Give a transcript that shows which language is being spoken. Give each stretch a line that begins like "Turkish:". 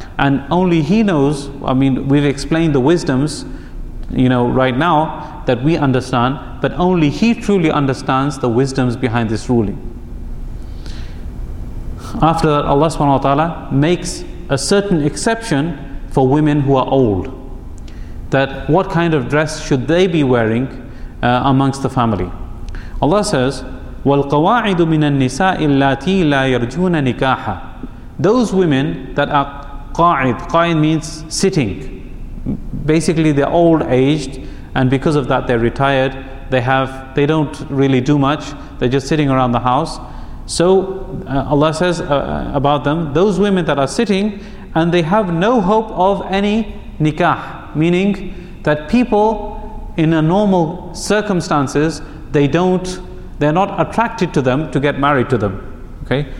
English: And only He knows, I mean, we've explained the wisdoms, you know, right now, that we understand, but only He truly understands the wisdoms behind this ruling. After that, Allah subhanahu wa ta'ala makes a certain exception for women who are old. That what kind of dress should they be wearing amongst the family? Allah says,
Arabic: وَالْقَوَاعِدُ مِنَ النِّسَاءِ اللَّاتِي لَا يَرْجُونَ نِكَاحًا.
English: Those women that are qa'id, qa'id means sitting. Basically, they're old aged, and because of that, they're retired. They don't really do much. They're just sitting around the house. So Allah says about them, those women that are sitting, and they have no hope of any nikah, meaning that people in a normal circumstances, they're not attracted to them to get married to them. Okay?